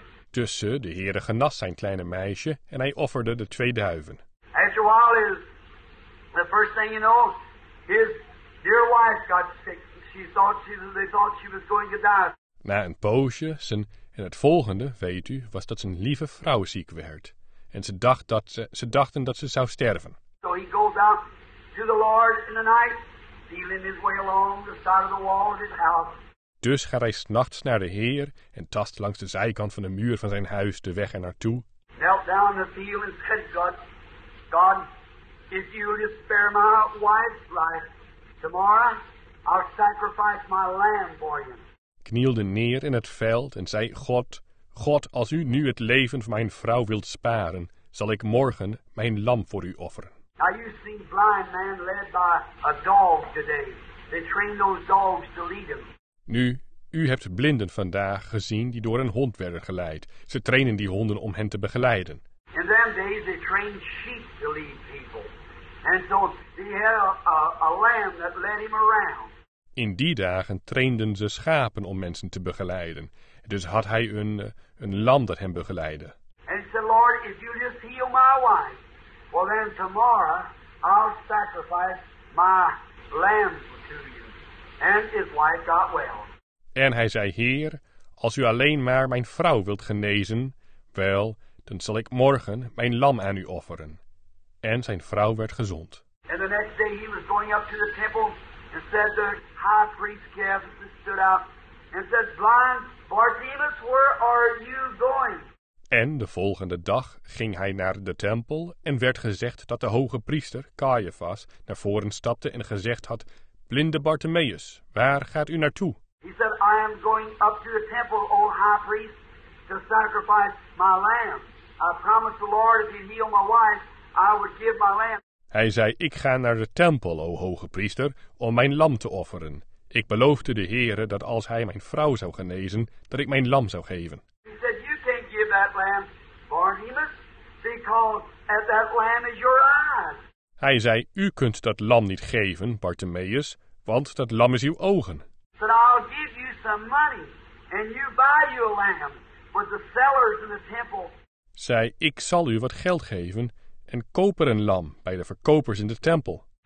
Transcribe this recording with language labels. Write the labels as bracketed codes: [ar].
[nl] Dus de Heere genas zijn kleine meisje en hij offerde de 2 duiven. [en] After a while, the first thing you know, his dear wife got sick. They thought she was going to die. [nl] Na een poosje, en het volgende, weet u, was dat zijn lieve vrouw ziek werd. En ze dachten dat ze zou sterven. [en] So he goes out to the Lord in the night, feeling his way along the side of the wall of his house. [nl] Dus gaat hij 's nachts naar de Heer en tast langs de zijkant van de muur van zijn huis de weg ernaartoe. [en] Knelt down the field and said, God, if you will spare my wife's life, tomorrow I'll sacrifice my lamb for you. [nl] Knielde neer in het veld en zei, God, als u nu het leven van mijn vrouw wilt sparen, zal ik morgen mijn lam voor u offeren. [en] Now you see blind man led by a dog today. They train those dogs to lead him. [nl] Nu, u hebt blinden vandaag gezien die door een hond werden geleid. Ze trainen die honden om hen te begeleiden. [en] In them days they trained sheep to lead people. And so he had a lamb that led him around. [nl] In die dagen trainden ze schapen om mensen te begeleiden. Dus had hij een lam dat hem begeleidde. [en] And said, Lord, if you just heal my wife, well then tomorrow I'll sacrifice my lamb to you. And his wife got well. [nl] En hij zei, Heer, als u alleen maar mijn vrouw wilt genezen, wel, dan zal ik morgen mijn lam aan u offeren. En zijn vrouw werd gezond. [en] And the next day he was going up to the temple. And said the high priest Caiaphas stood up and said, blind Bartimaeus, where are you going? [nl] En de volgende dag ging hij naar de tempel en werd gezegd dat de hoge priester Caiaphas naar voren stapte en gezegd had, blinde Bartimaeus, waar gaat u naartoe? [en] He said, I am going up to the temple, O high priest, to sacrifice my lamb. I promised the Lord if you heal my wife, I would give my lamb. [nl] Hij zei, ik ga naar de tempel, o hoge priester, om mijn lam te offeren. Ik beloofde de Heere dat als hij mijn vrouw zou genezen, dat ik mijn lam zou geven. [en] He said, you can't give that lamb, Barnabas, because that lamb is your eyes. [nl] Hij zei, u kunt dat lam niet geven, Bartimaeus, want dat lam is uw ogen. [en] But I'll give you some money, and you buy you a lamb, with the sellers in the temple. [nl] Zei, ik zal u wat geld geven, en koper een lam bij de verkopers in de tempel.